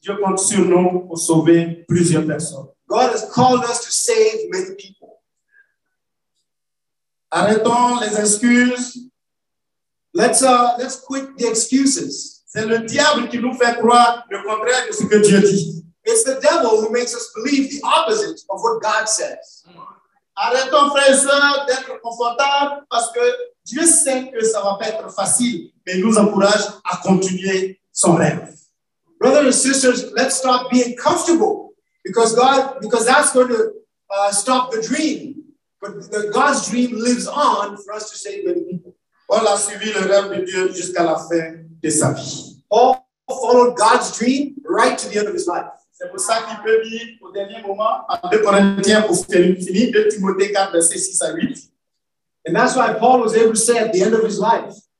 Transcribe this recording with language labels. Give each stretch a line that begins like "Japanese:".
French: Dieu compte sur nous pour sauver plusieurs personnes.
English: God has called us to save many people.
French: Arrêtons les excuses.
English: Let's quit the excuses.
French: C'est le diable qui nous fait croire le contraire de ce que Dieu dit.
English: It's the devil who makes us believe the opposite of what God says.
French: Arrêtons, frères et sœurs, d'être confortables parce que Dieu sait que ça va pas être facile, mais il nous encourage à continuer son rêve.
English: Brothers and sisters, let's stop being comfortable because that's going to stop the dream. But God's dream lives on for us to save many people.
French: Paul a suivi le rêve de Dieu jusqu'à la fin de sa vie.
English: Paul followed God's dream right to the end of his life.
French: C'est pour ça qu'il peut dire au dernier moment, en 2 Corinthiens, pour finir, 2 Timothée 4, versets 6 à 8.
English: And that's why Paul was able to say at the end of his life.